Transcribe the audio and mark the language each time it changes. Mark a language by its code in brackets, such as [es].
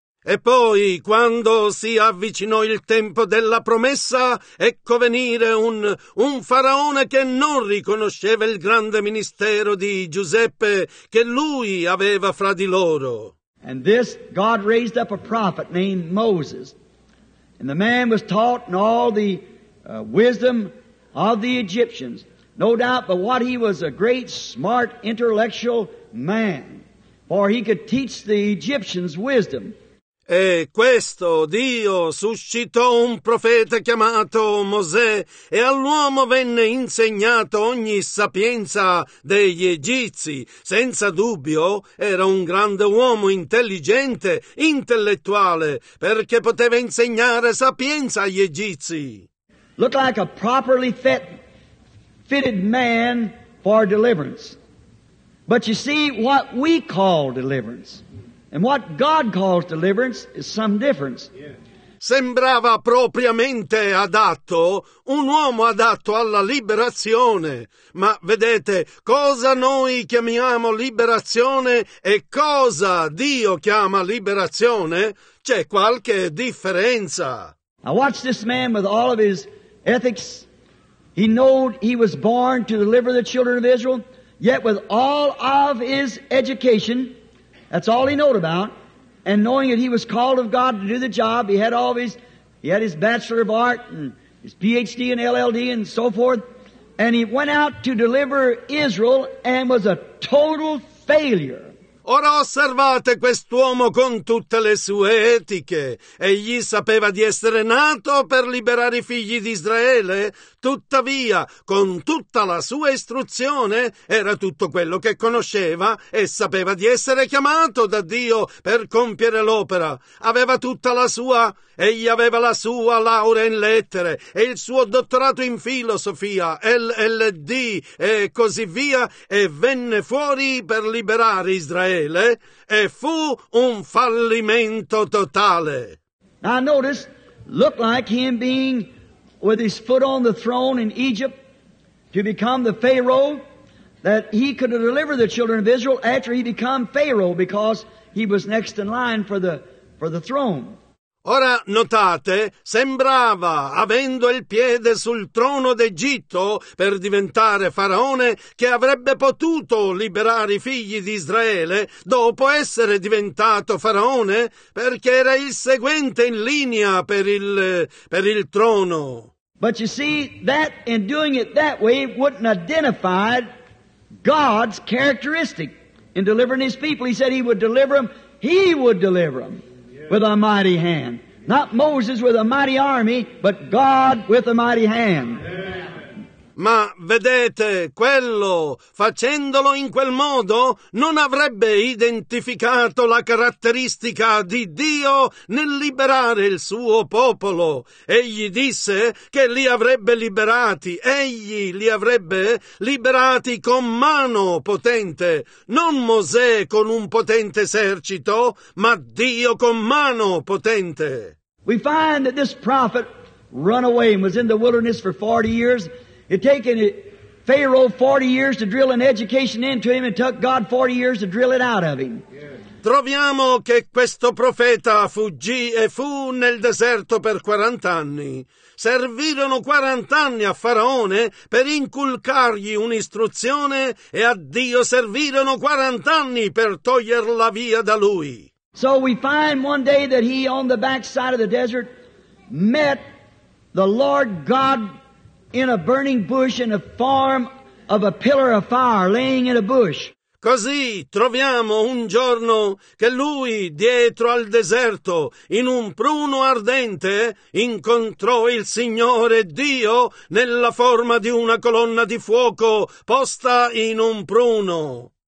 [it] E poi, quando si avvicinò il tempo della promessa, ecco venire un faraone che non riconosceva il grande ministero di Giuseppe che lui aveva fra di loro. [en] And this, God raised up a prophet named Moses. And the man was taught in all the wisdom of the Egyptians. No doubt, but what he was a great, smart, intellectual man. For he could teach the Egyptians wisdom. [it] E questo Dio suscitò un profeta chiamato Mosè e all'uomo venne insegnato ogni sapienza degli Egizi. Senza dubbio era un grande uomo intelligente, intellettuale, perché poteva insegnare sapienza agli Egizi. [en] Looked like a properly fitted man for deliverance. But you see what we call deliverance. And what God calls deliverance is some difference. [it] Sembrava propriamente adatto, un uomo adatto alla liberazione. Ma vedete, cosa noi chiamiamo liberazione e cosa Dio chiama liberazione, c'è qualche differenza. [en] I watched this man with all of his ethics. He knew he was born to deliver the children of Israel, yet with all of his education, that's all he knowed about. And knowing that he was called of God to do the job, he had his Bachelor of Art and his PhD and LLD and so forth. And he went out to deliver Israel and was a total failure. [it] Ora osservate quest'uomo con tutte le sue etiche. Egli sapeva di essere nato per liberare i figli di Israele. Tuttavia, con tutta la sua istruzione, era tutto quello che conosceva e sapeva di essere chiamato da Dio per compiere l'opera. Aveva tutta la sua, egli aveva la sua laurea in lettere e il suo dottorato in filosofia, LLD e così via, e venne fuori per liberare Israele e fu un fallimento totale. [en] Now notice, looked like him being with his foot on the throne in Egypt to become the Pharaoh, that he could deliver the children of Israel after he became Pharaoh because he was next in line for the throne. [it] Ora notate, sembrava, avendo il piede sul trono d'Egitto per diventare faraone, che avrebbe potuto liberare i figli di Israele dopo essere diventato faraone, perché era il seguente in linea per il trono. [en] But you see, that in doing it that way wouldn't identify God's characteristic in delivering his people. He said he would deliver them, he would deliver them. With a mighty hand. Not Moses with a mighty army, but God with a mighty hand. [it] Ma vedete, quello, facendolo in quel modo, non avrebbe identificato la caratteristica di Dio nel liberare il suo popolo. Egli disse che li avrebbe liberati, egli li avrebbe liberati con mano potente, non Mosè con un potente esercito, ma Dio con mano potente. [en] We find that this prophet ran away and was in the wilderness for 40 years. It taken Pharaoh 40 years to drill an education into him, and took God 40 years to drill it out of him. [it] Troviamo che questo profeta fuggì e fu nel deserto per 40 anni. Servirono 40 anni a Faraone per inculcargli un'istruzione, e a Dio servirono 40 anni per toglierla via da lui. [en] So we find one day that he, on the backside of the desert, met the Lord God in a burning bush in the form of a pillar of fire laying in a bush. [it] Così troviamo un giorno che lui, dietro al deserto, in un pruno ardente, incontrò il Signore Dio nella forma di una colonna di fuoco posta in un pruno.